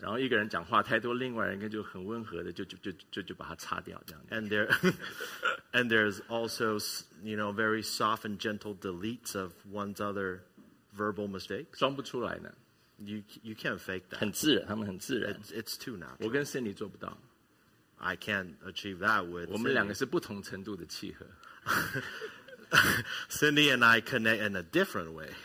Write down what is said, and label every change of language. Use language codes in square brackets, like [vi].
[zh] 然后一个人讲话太多，另外一个人就很温和的就把它擦掉这样。 [en] And there's also, you know, very soft and gentle deletes of one's other verbal mistakes. [zh] 装不出来呢。 [en] You can't fake that. [zh] 很自然，他们很自然。 [en] It's too natural. [zh] 我跟 Cindy 做不到。 [en] I can't achieve that with Cindy. [zh] 我们两个是不同程度的契合。 [en] Cindy and I connect in a different way.